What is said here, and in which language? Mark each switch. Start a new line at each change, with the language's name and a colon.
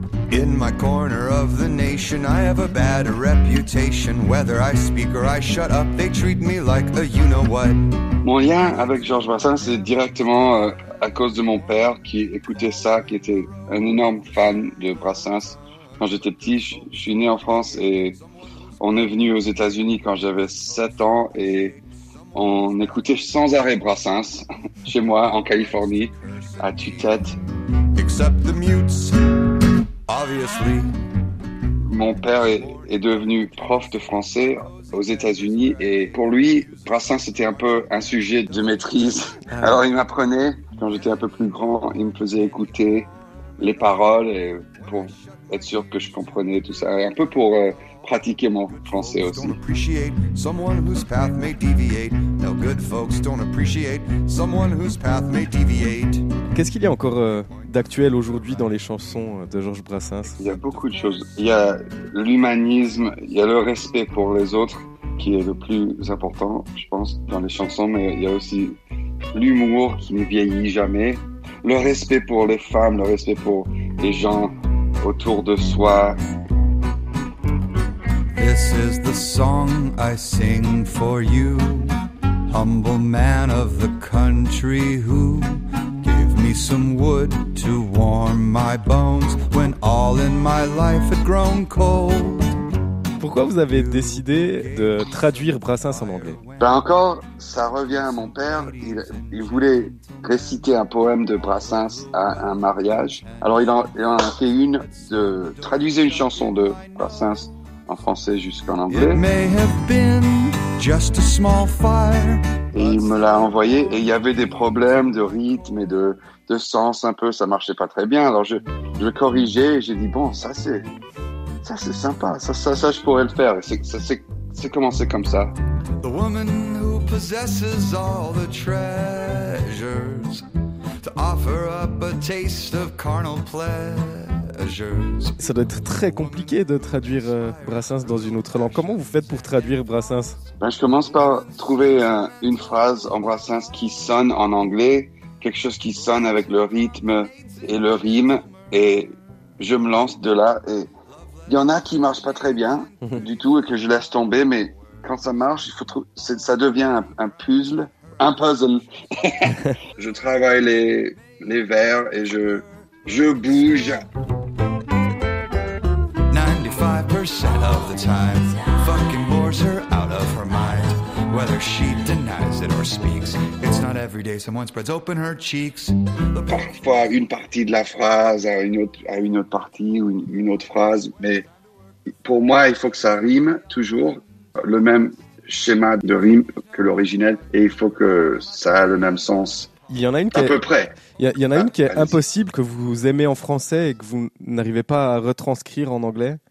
English: In my corner of the nation, I have a bad reputation. Whether I speak or I shut up, they treat me like a you-know-what.
French: Mon lien avec Georges Brassens, c'est directement à cause de mon père qui écoutait ça, qui était un énorme fan de Brassens. Quand j'étais petit, je suis né en France et on est venu aux États-Unis quand j'avais 7 ans et on écoutait sans arrêt Brassens chez moi en Californie à tue-tête.
English: Except the mutes, obviously.
French: Mon père est devenu prof de français aux États-Unis et pour lui, Brassens c'était un peu un sujet de maîtrise. Alors il m'apprenait, quand j'étais un peu plus grand, il me faisait écouter les paroles et pour être sûr que je comprenais tout ça, et un peu pour pratiquer mon français aussi.
English: Don't appreciate someone whose path may deviate. No good folks don't appreciate someone whose path may deviate.
French: Qu'est-ce qu'il y a encore d'actuel aujourd'hui dans les chansons de Georges Brassens? Il y a beaucoup de choses. Il y a l'humanisme, il y a le respect pour les autres qui est le plus important, je pense, dans les chansons, mais il y a aussi l'humour qui ne vieillit jamais, le respect pour les femmes, le respect pour les gens autour de soi.
English: This is the song I sing for you, humble man of the country who gave me some wood to warm my bones when all in my life had grown cold.
French: Pourquoi vous avez décidé de traduire Brassens en anglais? Ben encore, ça revient à mon père. Il voulait réciter un poème de Brassens à un mariage. Alors il en a fait une, de traduire une chanson de Brassens en français jusqu'en anglais.
English: It may have been just a small fire.
French: Et il me l'a envoyé et il y avait des problèmes de rythme et de sens un peu. Ça marchait pas très bien. Alors je le corrigeais et j'ai dit bon, ça c'est sympa, je pourrais le faire. C'est commencé comme ça.
English: The woman who possesses all the treasures to offer up a taste of carnal pleasures.
French: Ça doit être très compliqué de traduire Brassens dans une autre langue. Comment vous faites pour traduire Brassens? Ben, je commence par trouver une phrase en Brassens qui sonne en anglais, quelque chose qui sonne avec le rythme et le rime, et je me lance de là. Et il y en a qui ne marchent pas très bien du tout et que je laisse tomber, mais quand ça marche, ça devient un puzzle. Je travaille les vers et je bouge.
English: 95% of the time, fucking bores her out of her mind. Whether she denies it or speaks, it's not every day someone spreads open her cheeks.
French: Parfois une partie de la phrase à une autre partie ou une autre phrase, mais pour moi il faut que ça rime toujours, le même schéma de rime que l'originel, et il faut que ça ait le même sens. Il y en a une à peu près. Il y en a une qui est impossible, que vous aimez en français et que vous n'arrivez pas à retranscrire en anglais.